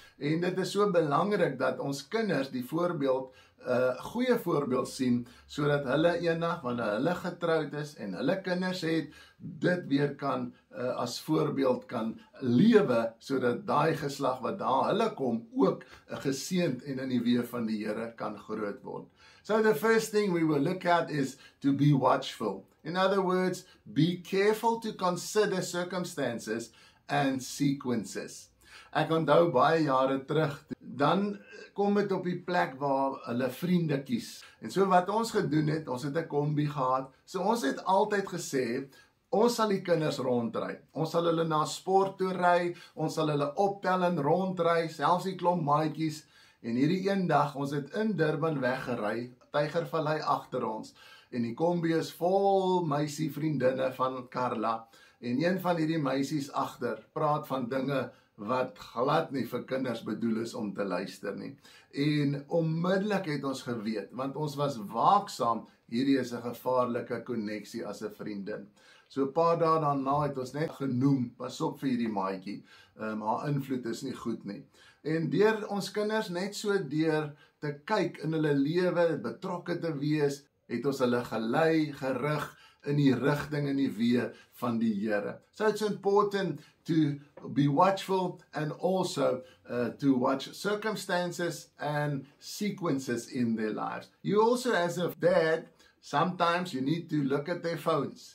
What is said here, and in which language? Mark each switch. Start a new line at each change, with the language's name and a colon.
Afrikaans: En dit is so belangrik dat ons kinders die voorbeeld, 'n goeie voorbeeld sien, sodat hulle eendag wanneer hulle getroud is en hulle kinders het, dit weer kan as voorbeeld kan lewe, sodat daai geslag wat daar hulle kom ook geseend en in die weë van die Here kan groot word.
English: So the first thing we will look at is to be watchful. In other words, be careful to consider circumstances and sequences.
Afrikaans: Ek onthou baie jare terug, dan kom dit op die plek waar hulle vriende kies. En so wat ons gedoen het, ons het 'n kombi gehad. So ons het altyd gesê, ons sal die kinders rondry. Ons sal hulle na sport toe ry, ons sal hulle optel en rondry, selfs die klomp maatjies. En hierdie een dag, ons het in Durban weggery, Tygervallei agter ons. En die kombi is vol meisie vriendinne van Carla. En een van hierdie meisies agter praat van dinge wat glad nie vir kinders bedoel is om te luister nie. En onmiddellik het ons geweet, want ons was waaksaam, hierdie is 'n gevaarlike koneksie as 'n vriendin. So 'n paar dae daarna het ons net genoem, pas op vir hierdie maatjie, haar invloed is nie goed nie. En deur ons kinders net so deur te kyk in hulle lewe, betrokke te wees, het ons hulle gelei, gerig, in die rigting en die weë van die Here.
English: So it's important to be watchful and also to watch circumstances and sequences in their lives. You also, as a dad, sometimes you need to look at their phones.